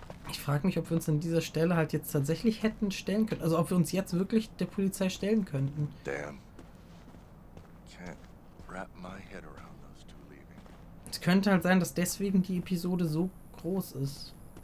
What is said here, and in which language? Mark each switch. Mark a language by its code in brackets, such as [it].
[de] Ich frage mich, ob wir uns an dieser Stelle halt jetzt tatsächlich hätten stellen können. Also ob wir uns jetzt wirklich der Polizei stellen könnten. [en] Damn. Can't wrap my head around those two leaving. [de] Es könnte halt sein, dass deswegen die Episode so groß ist.